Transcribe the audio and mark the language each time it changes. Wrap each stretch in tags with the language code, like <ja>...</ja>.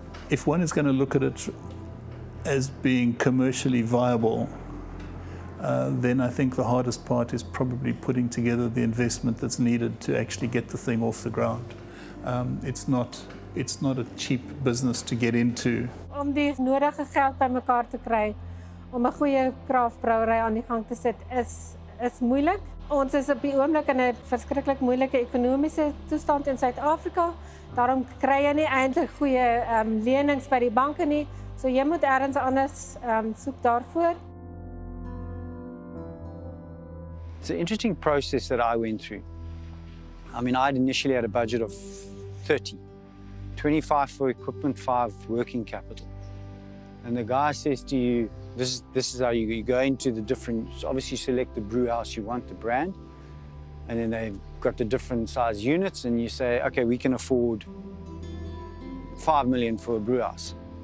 <en>If one is going to look at it as being commercially viable, then I think the hardest part is probably putting together the investment that's needed to actually get the thing off the ground. It's not a cheap business to get into.</en> <af>Om die nodige geld by mekaar te kry om 'n goeie craft brouwerij aan die gang te sit is moeilik. Ons is op die oomblik in 'n verskriklik moeilike ekonomiese toestand in Suid-Afrika. Daarom kry jy nie eintlik goeie lenings by die banke nie. So jy moet ergens anders soek daarvoor.</af> <en>It's an interesting process that I went through. I mean, I'd initially had a budget of 30, 25 for equipment, 5 working capital. And the guy says to you, this is how you go into the different, so obviously you select the brew house you want, the brand, and then they've got the different size units, and you say, okay, we can afford 5 million for a brew house.</en>